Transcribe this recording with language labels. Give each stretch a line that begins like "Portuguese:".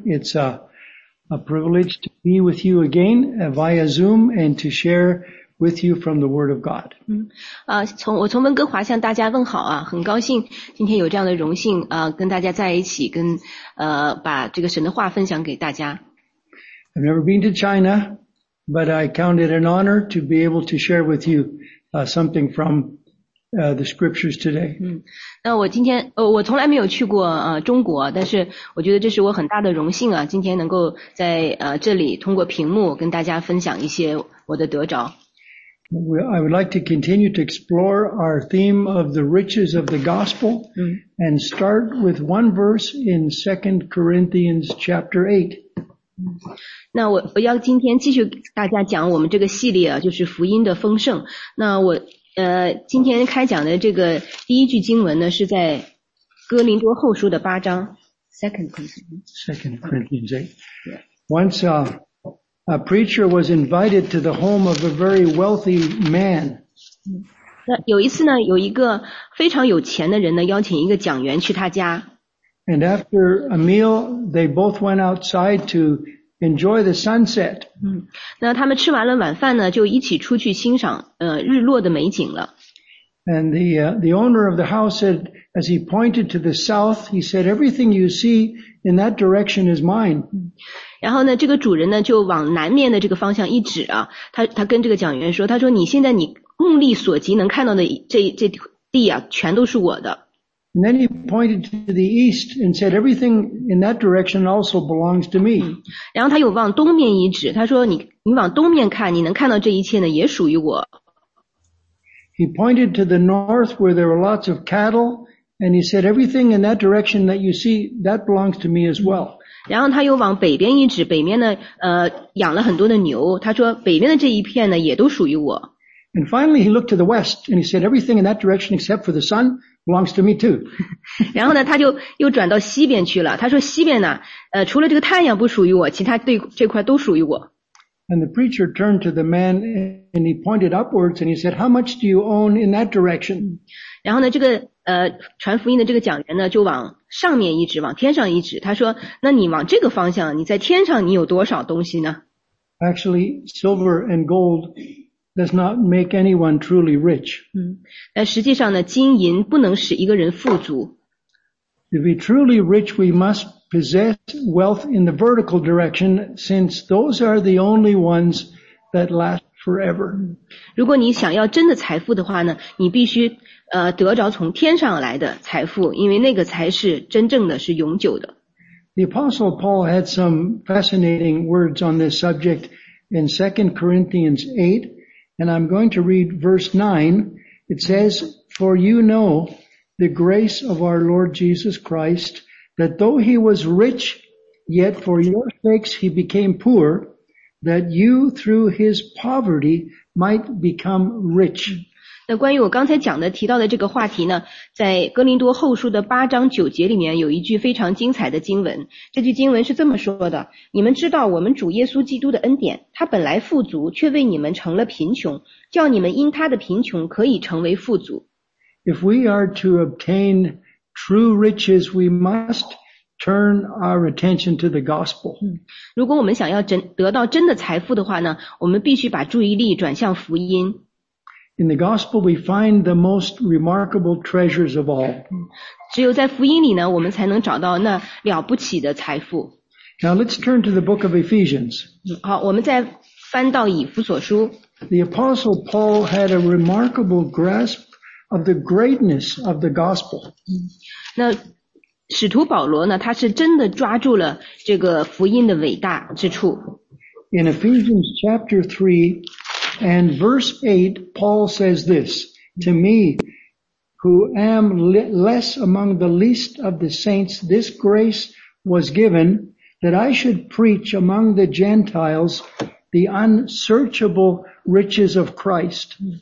English: It's a privilege to be with you again via Zoom and to share with you from the Word of God.
Chinese: 我从温哥华向大家问好啊，很高兴今天有这样的荣幸跟大家在一起，跟把这个神的话分享给大家。
English: I've never been to China, but I count it an honor to be able to share with you something from the scriptures today.
Chinese: 那我今天我从来没有去过中国，但是我觉得这是我很大的荣幸啊，今天能够在这里通过屏幕跟大家分享一些我的得着。
English: I would like to continue to explore our theme of the riches of the gospel and start with one verse in 2 Corinthians chapter 8.
Chinese: 那我要今天继续大家讲我们这个系列啊，就是福音的丰盛。那我今天开讲的这个第一句经文呢，是在哥林多后书的八章
English: 2 Corinthians 8. Once a preacher was invited to the home of a very wealthy man.
Chinese: 那有一次呢，有一个非常有钱的人呢，邀请一个讲员去他家。
English: And after a meal, they both went outside to enjoy the sunset.
Chinese: 那他们吃完了晚饭呢，就一起出去欣赏日落的美景了。
English: And the owner of the house said, as he pointed to the south, he said, everything you see in that direction is mine.
Chinese: 然后呢，这个主人呢就往南面的这个方向一指啊，他跟这个讲员说，他说你现在你目力所及能看到的这地啊，全都是我的。
English: And then he pointed to the east and said, everything in that direction also belongs to me.
Chinese: 然后他又往东面一指，他说你往东面看，你能看到这一切呢，也属于我。
English: He pointed to the north where there were lots of cattle, and he said, everything in that direction that you see, that belongs to me as well.
Chinese: 然后他又往北边一指，北面呢，养了很多的牛，他说北边的这一片呢，也都属于我。
English: And finally, he looked to the west and he said, everything in that direction except for the sun,belongs to me too.
Chinese: 然后呢他就又转到西边去了，他说西边呢除了这个太阳不属于我，其他对这块都属于我。
English: And the preacher turned to the man and he pointed upwards and he said, how much do you own in that direction?
Chinese: 然后呢这个传福音的这个讲员呢就往上面一指，往天上一指，他说那你往这个方向，你在天上你有多少东西呢？
English: Actually, silver and gold does not make anyone truly rich.
Chinese: 但实际上呢，金银不能使一个人富足。
English: To be truly rich, we must possess wealth in the vertical direction, since those are the only ones that last forever.
Chinese: 如果你想要真的财富的话呢，你必须得着从天上来的财富，因为那个才是真正的，是永久的。
English: The Apostle Paul had some fascinating words on this subject in 2 Corinthians 8. And I'm going to read verse 9. It says, for you know the grace of our Lord Jesus Christ, that though he was rich, yet for your sakes he became poor, that you through his poverty might become rich.
Chinese: 那关于我刚才讲的提到的这个话题呢，在哥林多后书的八章九节里面有一句非常精彩的经文。这句经文是这么说的，你们知道我们主耶稣基督的恩典，他本来富足，却为你们成了贫穷，叫你们因他的贫穷可以成为富足。
English: If we are to obtain true riches, we must turn our attention to the gospel.
Chinese: 如果我们想要得到真的财富的话呢，我们必须把注意力转向福音。
English: In the gospel, we find the most remarkable treasures of all.
Chinese: 只有在福音里呢，我们才能找到那了不起的财富。
English: Now let's turn to the book of Ephesians.
Chinese: 好，我们再翻到以弗所书。
English: The apostle Paul had a remarkable grasp of the greatness of the gospel.
Chinese: 那使徒保罗呢，他是真的抓住了这个福音的伟大之处。
English: In Ephesians chapter 3,And verse 8, Paul says this, To me, who am less among the least of the saints, this grace was given that I should preach among the Gentiles the unsearchable riches of Christ.